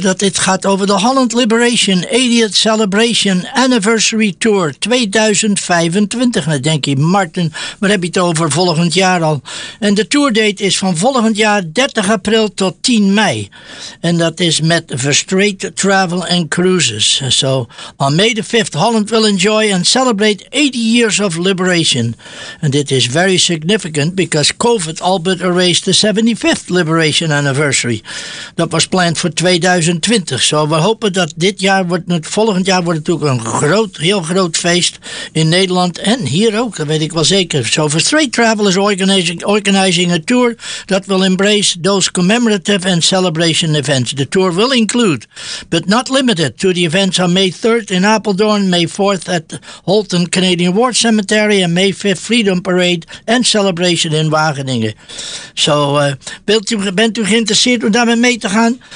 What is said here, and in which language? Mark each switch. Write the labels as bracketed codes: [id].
[nl] Dat dit gaat over de Holland Liberation 80th Celebration Anniversary Tour 2025. Dan denk je, Martin, waar heb je het over volgend jaar al? En de tourdate is van volgend jaar 30 april tot 10 mei. En dat is met Verstraet Travel and Cruises. [en] So, on May the 5th, Holland will enjoy and celebrate 80 years of liberation. And it is very significant because COVID al but erased the 75th Liberation Anniversary. [nl] Dat was planned voor 2020. So we hopen dat dit jaar wordt, volgend jaar wordt natuurlijk een groot, heel groot feest in Nederland en hier ook, dat weet ik wel zeker. [en] So Verstraet Travel is organizing a tour that will embrace those commemorative and celebration events. The tour will include, but not limited to, the events on May 3rd in Apeldoorn, May 4th at Holton Canadian War Cemetery, and May 5th Freedom Parade and Celebration in Wageningen. [nl] So, bent u geïnteresseerd om daarmee mee te gaan?